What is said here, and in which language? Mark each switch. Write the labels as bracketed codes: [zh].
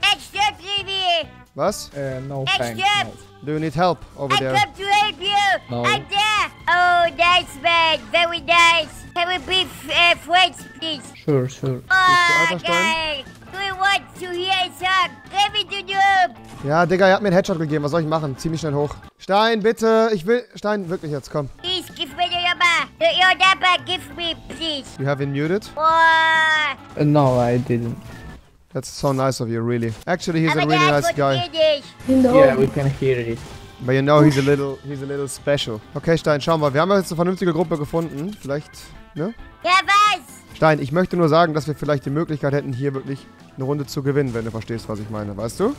[en] Except, Libby. What? No, except. Do you need help over there? I come to help you. No. I'm there. Oh, nice man. Very nice. Can we be friends, please? Sure. Okay. Do you want to hear a song? Let me do it. [de] Ja, Digga, er hat mir einen Headshot gegeben. Was soll ich machen? Zieh mich schnell hoch. Stein, bitte. Ich will... Stein, wirklich jetzt, komm. [en] Please, give me your number. Your number, give me, please. You have been muted? Oh. No, I didn't. That's so nice of you, really. Actually, he's a really nice guy. Yeah, we can hear it. But you know, he's a little special. [de] Okay, Stein, schauen wir. Wir haben jetzt eine vernünftige Gruppe gefunden. Vielleicht, ne? Ja, was? Stein, ich möchte nur sagen, dass wir vielleicht die Möglichkeit hätten, hier wirklich eine Runde zu gewinnen, wenn du verstehst, was ich meine, weißt du?